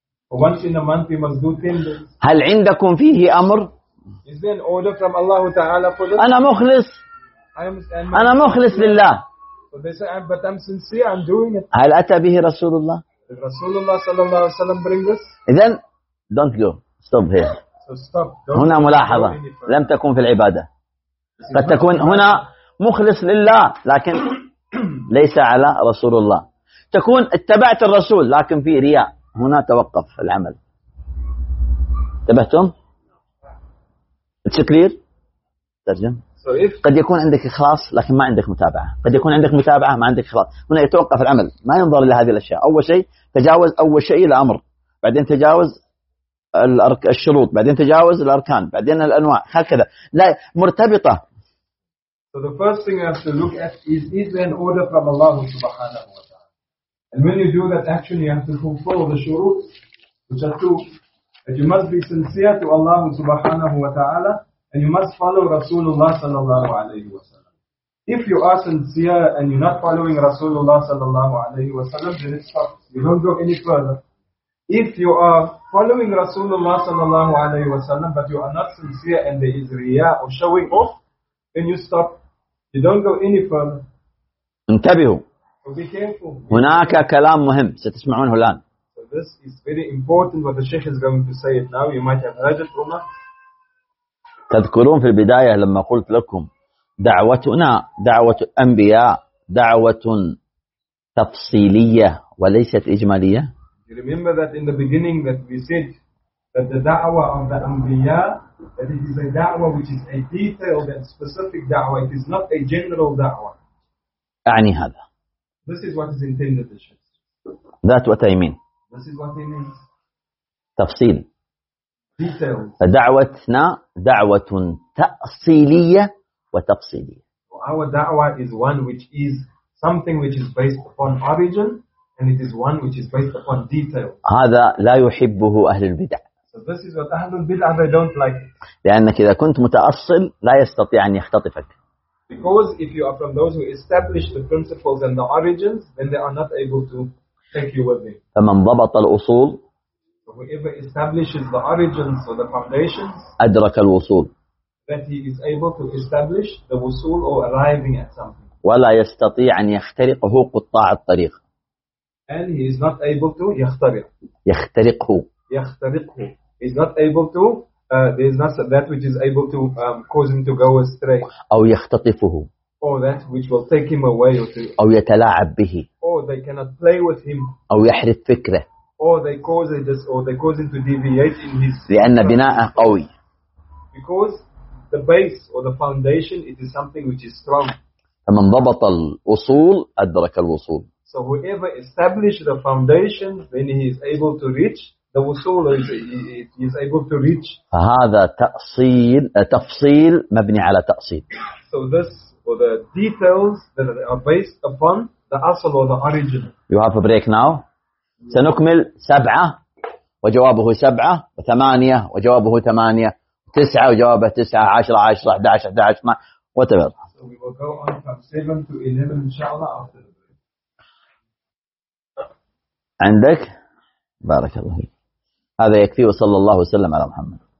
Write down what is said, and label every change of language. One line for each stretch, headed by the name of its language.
English: Once in a month you must do 10 days.
Arabic: هل عندكم فيه أمر؟
English: Is there an order from Allah Ta'ala for this?
Arabic: أنا مخلص. أنا مخلص لله.
English: So they say, but I'm sincere, I'm doing it.
Arabic: هل أتى به رسول الله؟
English: Did Rasulullah صلى الله عليه وسلم bring this? Then, don't go. Stop here. So stop. Don't
Arabic: هنا ملاحظة. لم تكن في العبادة. قد تكون هنا مخلص لله لكن ليس على رسول الله. تكون اتبعت الرسول لكن في رياء. هنا توقف العمل. تبهتم؟
English: It's clear.
Arabic: ترجم. قد يكون عندك إخلاص لكن ما عندك متابعة. قد يكون عندك متابعة ما عندك إخلاص. هنا يتوقف العمل. ما ينظر إلى هذه الأشياء. أول شيء تجاوز أول شيء الأمر. بعدين تجاوز الشروط. بعدين تجاوز الأركان. بعدين الأنواع. هكذا. لا مرتبطة.
English: So the first thing you have to look at is there an order from Allah subhanahu wa ta'ala? And when you do that, actually you have to fulfill the shuruq, which are two. That you must be sincere to Allah subhanahu wa ta'ala, and you must follow Rasulullah sallallahu alayhi wa sallam. If you are sincere and you're not following Rasulullah sallallahu alayhi wa sallam, then it stops. You don't go any further. If you are following Rasulullah sallallahu alayhi wa sallam, but you are not sincere and there is riyah or showing off, and you stop. You don't go any further.
Arabic: انتبهوا.
English: So be careful.
Arabic: هناك كلام مهم ستسمعونه الآن.
English: So this is very important what the Sheikh is going to say it now. You might have heard it, Umar.
Arabic: تذكرون في البداية لما قلت لكم دعوتنا دعوة الأنبياء دعوة تفصيلية وليست إجمالية.
English: You remember that in the beginning that we said that the دعوة of the أنبياء, that it is a da'wah which is a detailed and specific da'wah. It is not a general da'wah.
Arabic: أعني هذا.
English: This is what is intended. That what I mean. This is what he means.
Arabic: تفصيل.
English: Details.
Arabic: دعوتنا دعوة تأصيلية وتفصيلية.
English: Our da'wah is one which is something which is based upon origin and it is one which is based upon detail.
Arabic: هذا لا يحبه أهل البدع.
English: This is what أهل البدع, they don't like.
Arabic: لأنك إذا كنت متأصل لا يستطيع أن يختطفك.
English: Because if you are from those who establish the principles and the origins, then they are not able to take you with them.
Arabic: فمن ضبط الأصول,
English: whoever establishes the origins or the foundations,
Arabic: أدرك الوصول,
English: that he is able to establish the wusul or arriving at something.
Arabic: ولا يستطيع أن يخترق هو قطاع الطريق.
English: And he is not able to يخترق.
Arabic: يخترقه. يخترقه.
English: He's not able to, there's not that which is able to cause him to go astray.
Arabic: أو يختطفه.
English: Or that which will take him away. Or to,
Arabic: أو يتلاعب به.
English: Or they cannot play with him.
Arabic: أو يحرف فكره.
English: Or they cause it, or they cause him to deviate in his.
Arabic: لأن بناءه قوي.
English: Because the base or the foundation, it is something which is strong.
Arabic: فمن ضبط الأصول أدرك الوصول.
English: So whoever establishes the foundation, then he is able to reach. The wusul is able to reach. فهذا تأصيل تفصيل مبني على تأصيل. So this or the details that are based upon the asal or the origin. You have a break now.
Arabic: سنكمل 7 وجوابه 7 و8 وجوابه 8 9 وجوابه 9 10 10 11 11 12
English: whatever. So we will go on from 7 to 11 inshallah after the break.
Arabic: عندك بارك الله فيك. هذا يكفي وصلى الله وسلم على محمد.